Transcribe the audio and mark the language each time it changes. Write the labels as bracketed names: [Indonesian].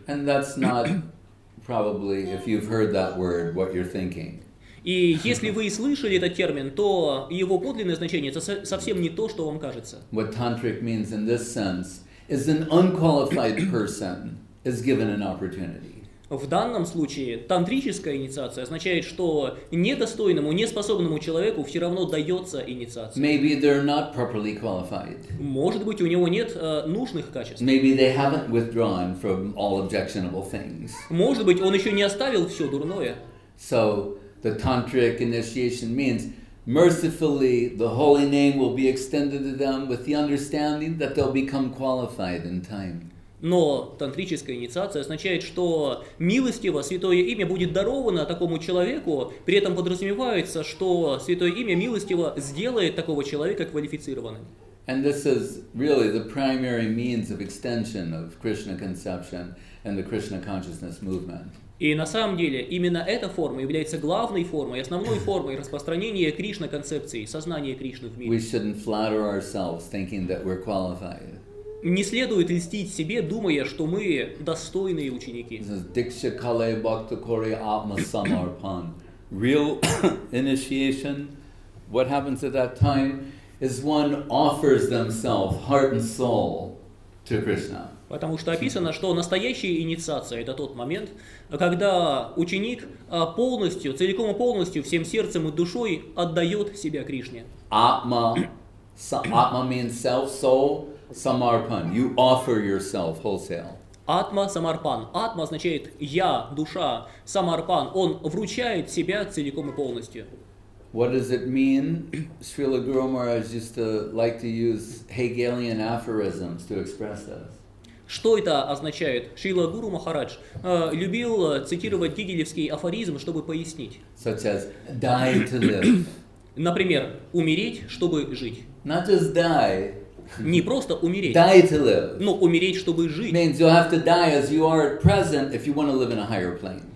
[English] And that's not probably, if you've heard that word, what you're thinking. [Russian] И если вы слышали этот термин, то его подлинное значение это совсем не то, что вам кажется. [English] What tantric means in this sense is an unqualified person is given an opportunity. [Russian] В данном случае тантрическая инициация означает, что недостойному, неспособному человеку все равно дается инициация. [English] Maybe they're not properly qualified. [Russian] Может быть, у него нет нужных качеств. [English] Maybe they haven't withdrawn from all objectionable things. [Russian] Может быть, он еще не оставил все дурное. [English] So the tantric initiation means mercifully the holy name will be extended to them with the understanding that they'll become qualified in time. [Russian] Но тантрическая инициация означает, что милостиво святое имя будет даровано такому человеку, при этом подразумевается, что святое имя милостиво сделает такого человека квалифицированным. [English] And this is really the primary means of extension of Krishna conception and the Krishna consciousness movement. [Russian] И на самом деле именно эта форма является главной формой, основной формой распространения Кришна концепции, сознания Кришны в мире. [English] We shouldn't flatter ourselves thinking that we're qualified. [Russian] Не следует льстить себе, думая, что мы достойные ученики. [Bangla] Дикша калай бхакта кори атма самарпан. [English] Real initiation, what happens at that time, is one offers themselves, heart and soul, to Krishna. [Russian] Потому что описано, что настоящая инициация – это тот момент, когда ученик полностью, целиком и полностью, всем сердцем и душой отдает себя Кришне. [English] Атма. Атма means self, soul. Самарпан. You offer yourself wholesale. [Russian] Атма самарпан. Атма означает я, душа. Самарпан. Он вручает себя целиком и полностью. [English] What does it mean? Srila Guru Maharaj used to like to use Hegelian aphorisms to express this. [Russian] Что это означает? Шрила Гуру Махарадж любил цитировать гегелевский афоризм, чтобы пояснить. [English] Such as die to live. [Russian] Например, умереть, чтобы жить. [English] Not just die. [Russian] Не просто умереть. [English] Die to live. [Russian] Но умереть, чтобы жить. [English] Means you'll have to die as you are at present if you want to live in a higher plane.